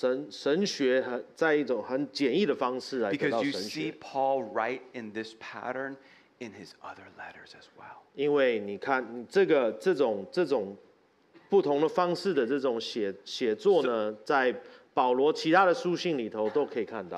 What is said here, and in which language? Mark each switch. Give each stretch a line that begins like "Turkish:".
Chinese: 所以这就好像是神的神学在一种很简易的方式来得到神学。
English: Because you see Paul write in this pattern in his other letters as well.
Chinese: 因为你看这种 不同的方式的这种写作呢, 在保罗其他的书信里头都可以看到。